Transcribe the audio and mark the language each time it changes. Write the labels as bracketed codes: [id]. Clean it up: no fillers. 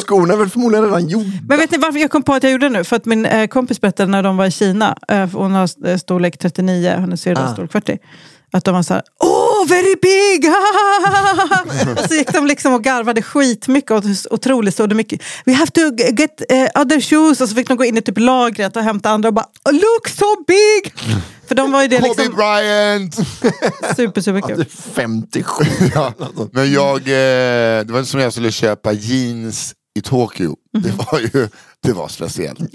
[sv] Skorna är väl förmodligen redan gjorda. Men vet ni varför jag kom på att jag gjorde det nu? För att min kompis berättade när de var i Kina, hon har storlek 39, hon är syrra storlek 40, att de var såhär, [en] oh very big! [sv] Och så gick de liksom och garvade skitmycket och otroligt stod det mycket. [en] We have to get other shoes. [sv] Och så fick de gå in i typ lagret och hämta andra och bara, [en] oh, look so big! [sv] För de var ju det Kobe liksom... Kobe Bryant! Super kul. Ja, det är 57. Men jag, det var inte som jag skulle köpa jeans i Tokyo. Det var speciellt.